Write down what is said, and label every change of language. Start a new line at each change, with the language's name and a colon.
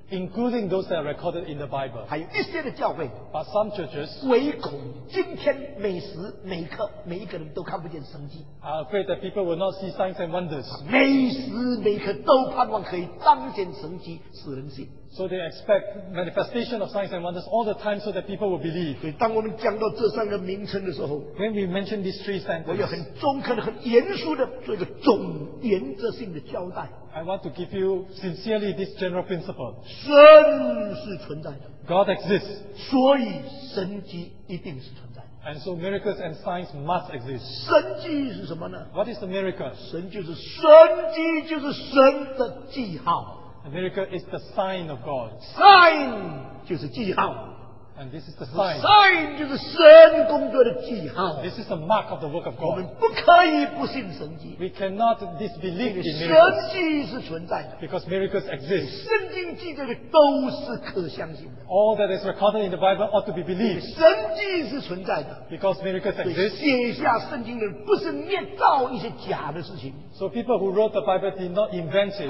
English: including those that are recorded in the Bible.
Chinese: 还有一些的教会,
English: but some churches
Chinese: 唯恐今天每时每刻每一个人都看不见神迹,
English: are afraid that people will not see signs and wonders,
Chinese: 每时每刻都盼望可以彰显神迹使人信,
English: so they expect manifestation of signs and wonders all the time so that people will believe.
Chinese: 所以当我们讲到这三个名称的时候,
English: when we mention these three sentences,
Chinese: 我有很中肯很严肃的做一个总原则性的交代,
English: I want to give you sincerely this general principle.
Chinese: 神是存在的,
English: God exists,
Chinese: 所以神迹一定是存在的,
English: and so miracles and signs must exist.
Chinese: 神迹是什么呢?
English: What is the miracle?
Chinese: 神就是神迹就是神的记号,
English: a miracle is the sign of God.
Chinese: Sign就是记号,
English: and this is the sign.
Chinese: Sign就是神工作的记号,
English: this is the mark of the work of God.
Chinese: 我们不可以不信神迹,
English: we cannot disbelieve in miracles.
Chinese: 神迹是存在的,
English: because miracles exist.
Chinese: 圣经记载的都是可相信的,
English: all that is recorded in the Bible ought to be believed.
Chinese: 神迹是存在的,
English: because miracles exist.
Chinese: 写下圣经的不是捏造一些假的事情,
English: so people who wrote the Bible did not invent it.